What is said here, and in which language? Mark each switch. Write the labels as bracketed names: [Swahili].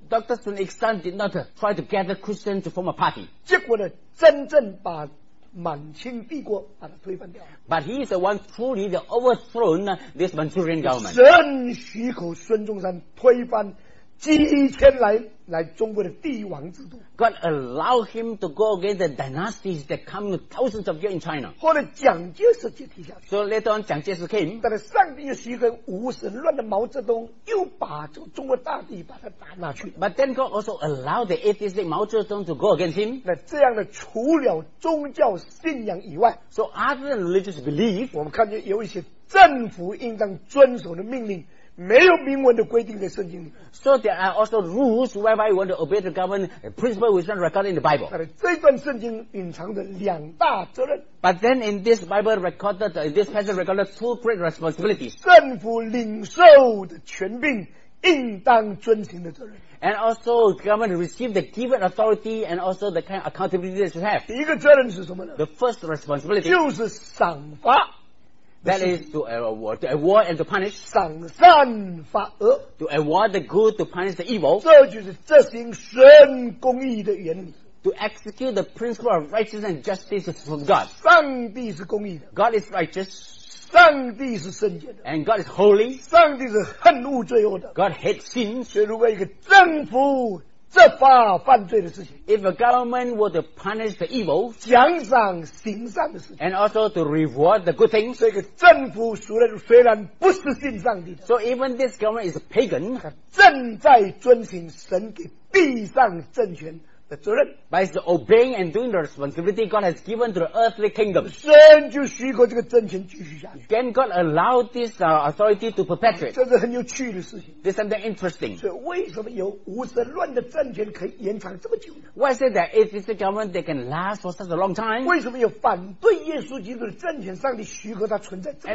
[English] Dr. Sun Yat-sen did not try to gather Christians to form a party. [Chinese] 结果呢，真正把满清帝国把它推翻掉。 [English] But he is the one truly the overthrown this Manchurian government. [Chinese] 神许可孙中山推翻。几千来中国的帝王制度。 [English] God allowed him to go against the dynasties that come thousands of years in China. [Chinese] 后来蒋介石就提下去。 [English] So later on, 蒋介石 came. [Chinese] 但是上帝又许可无神论的毛泽东又把中国大地把他打下去。 [English] But then God also allowed the atheistic 毛泽东 to go against him. [Chinese] 那这样的除了宗教信仰以外 [English] ，So other than religious belief, [Chinese] 我们看见有一些政府应当遵守的命令。没有明文的规定在圣经里。 [English] So there are also rules whereby you want to obey the government principle which is recorded in the Bible. [Chinese] 但是这段圣经隐藏着两大责任。 [English] But then in this Bible recorded, this passage recorded two great responsibilities. [Chinese] 政府领受的权柄应当遵行的责任。 [English] And also government received the given authority and also the kind of accountability they should have. [Chinese] 第一个责任是什么呢？ [English] The first responsibility. [Chinese] 就是赏罚。 [English] That is to award, and to punish. [Chinese] 赏善罚恶 [English] To award the good, to punish the evil. [Chinese] 这就是执行神公义的原理 [English] To execute the principle of righteousness and justice from God. [Chinese] 上帝是公义的 [English] God is righteous. [Chinese] 上帝是圣洁的 [English] And God is holy. [Chinese] 上帝是恨恶罪恶的 [English] God hates sins. [Chinese] 所以如果一个政府执法犯罪的事情 [English] If a government were to punish the evil [Chinese] 奖赏行善的事情 [English] And also to reward the good things [Chinese] 这个政府虽然不是信上帝的 [English] So even this government is a pagan [Chinese] 正在遵行神给地上政权的责任 [English] By obeying and doing the responsibility God has given to the earthly kingdom [Chinese] 神就许可这个政权继续下去 [English] Then God allowed this authority to perpetuate [Chinese] 这是很有趣的事情 [English] This is something interesting [Chinese] 所以为什么有无神论的政权可以延长这么久呢 [English] Why is it that if it's a government that can last for such a long time [Chinese] 为什么有反对耶稣基督的政权上帝许可它存在这么